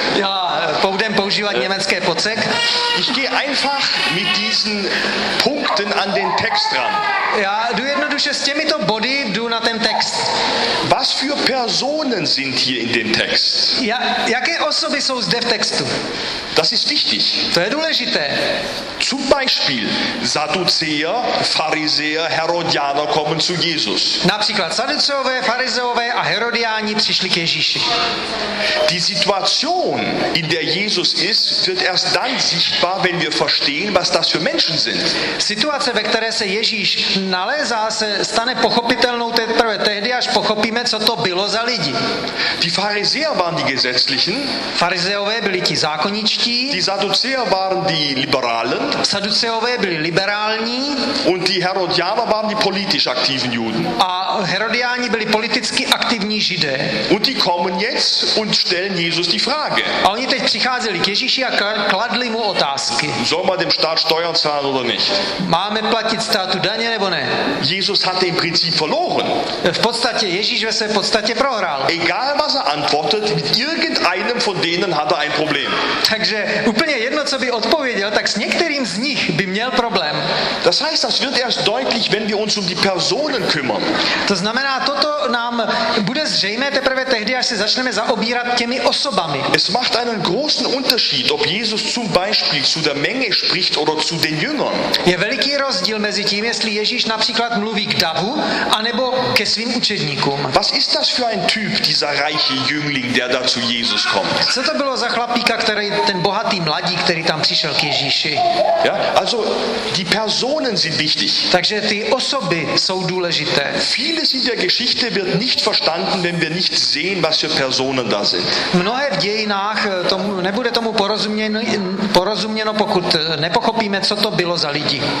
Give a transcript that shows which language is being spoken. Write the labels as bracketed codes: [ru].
[cs] Ja, budem používat německé Potzek. [de] Ich gehe einfach mit diesen Punkten an den Text ran. [cs] Ja, du jednoduše s těmito body jdu na ten text. [de] Was für Personen sind hier in dem Text? [cs] Ja, jaké osoby jsou zde v textu? [de] Das ist wichtig. [cs] To je důležité. [de] Zum Beispiel Sadduzeer, Pharisäer, Herodianer kommen zu Jesus. [cs] Například Sadduceové, Farizeové a Herodiáni přišli k Ježíši. [de] Die Situation, in der Jesus ist, wird erst dann sichtbar, wenn wir verstehen, was das für Menschen sind. [cs] Situace, ve které se Ježíš nalézá, se stane pochopitelnou teprve tehdy, až pochopíme, co to bylo za lidi. [de] Die Pharisäer waren die Gesetzlichen. [cs] Farizeové byli ti zákoničtí. [de] Die Sadduzäer waren die Liberalen. [cs] Sadduzeové byli liberální. [de] Und die Herodianer waren die politisch aktiven Juden. [cs] A Herodiáni byli politicky aktivní Židé. [de] Und die kommen jetzt und stellen Jesus die Frage. [cs] A oni teď přicházeli k Ježíši a kladli mu otázky. [de] Soll man dem Staat Steuern zahlen oder nicht? [cs] Máme platit státu daně nebo ne? [de] Jesus hatte im Prinzip verloren. [cs] V podstatě Ježíš ve své podstatě prohrál. [de] Egal was er antwortet, mit irgendeinem von denen hat er ein Problem. [cs] Takže úplně jedno, co by odpověděl, tak s některým z nich by měl problém. [de] Das heißt, das wird erst deutlich, wenn wir uns um die Personen kümmern. [cs] To znamená, toto nám bude zřejmé teprve tehdy, až se začneme zaobírat těmi osobami. [de] Es macht einen großen Unterschied, ob Jesus zum Beispiel zu der Menge spricht oder zu den Jüngern. [cs] Je veliký rozdíl mezi tím, jestli Ježíš například mluví k davu, anebo ke svým učedníkům. [de] Was ist das für ein Typ, dieser reiche Jüngling, der da zu Jesus kommt? [cs] Co to bylo za chlapíka, který ten bohatý mladík, který tam přišel k Ježíši? [de] Ja, also die Personen sind wichtig. [cs] Takže ty osoby jsou důležité. [de] Vieles in der Geschichte wird nicht verstanden, wenn wir nicht sehen, was für Personen da sind. [cs] Mnohé v dějinách tomu nebude tomu porozuměno, pokud nepochopíme, co to bylo za lidi.